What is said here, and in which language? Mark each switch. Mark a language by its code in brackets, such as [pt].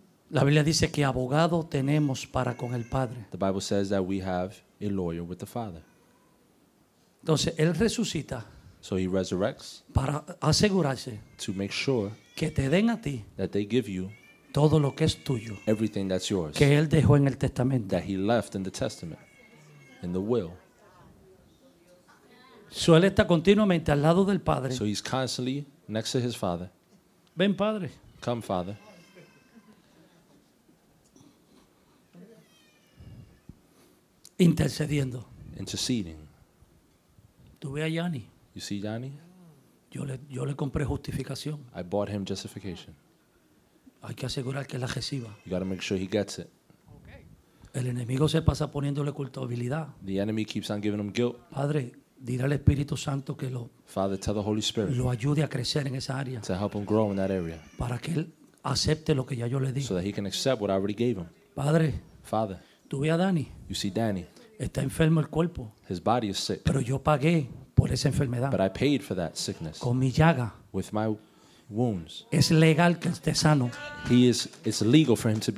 [es] La Biblia dice que abogado tenemos para con el Padre. [en] The Bible says that we have a lawyer with the Father. [es] Entonces, él resucita. [en] So he resurrects. [es] Para asegurarse. [en] To make sure. [es] Que te den a ti. [en] That they give you. [es] Todo lo que es tuyo. [en] Everything that's yours. [es] Que él dejó en el testamento. [en] That he left in the testament. In the will. [es] So él está continuamente al lado del Padre. [en] So he's constantly next to his Father. [es] Ven, Padre. [en] Come, Father. [es] Intercediendo. [en] Interceding. [es] ¿Tú ves a Yanni? [en] You see Yanni? [es] Yo le compré justificación. [en] I bought him justification. [es] Hay que asegurar que la reciba. [en] You got to make sure he gets it. [es] Okay. El enemigo se pasa poniéndole culpabilidad. [en] The enemy keeps on giving him guilt. [es] Padre, dile al Espíritu Santo que lo. [en] Father, tell the Holy Spirit. [es] Lo ayude a crecer en esa área. [en] To help him grow in that area. [es] Para que él acepte lo que ya yo le di. [en] So that he can accept what I already gave him. [es] Padre. [en] Father. [es] Tú ves a Danny. [en] You see Danny. [es] Está enfermo el cuerpo. [en] His body is sick. [es] Pero yo pagué por esa enfermedad. [en] But I paid for that sickness. [es] Con mi llaga. [en] With my wounds. [es] Es legal que esté sano. [en] He is, it's legal for him to be